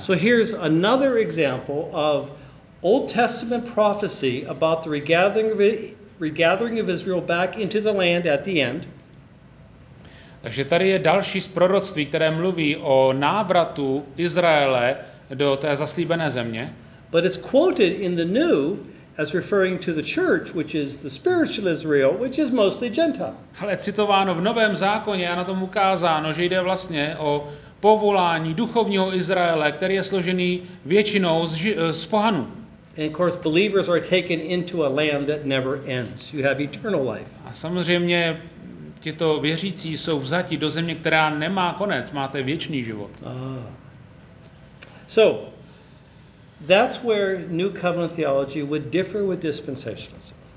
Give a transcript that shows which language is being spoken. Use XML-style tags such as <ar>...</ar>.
<en>So here's another example of Old Testament prophecy about the regathering of Israel back into the land at the end.</en> <cs>Takže tady je další z proroctví, které mluví o návratu Izraele do té zaslíbené země.</cs> <en>But it's quoted in the New as referring to the church, which is the spiritual Israel, which is mostly Gentile.</en> <cs>Ale citováno v Novém zákoně a na tom ukázáno, že jde vlastně o povolání duchovního Izraele, který je složený většinou z pohanů.</cs> <en>And of course, believers are taken into a land that never ends. You have eternal life.</en> <cs>A samozřejmě tito věřící jsou vzati do země, která nemá konec. Máte věčný život.</cs> <en>So, that's where New Covenant theology would differ with dispensationalism.</en>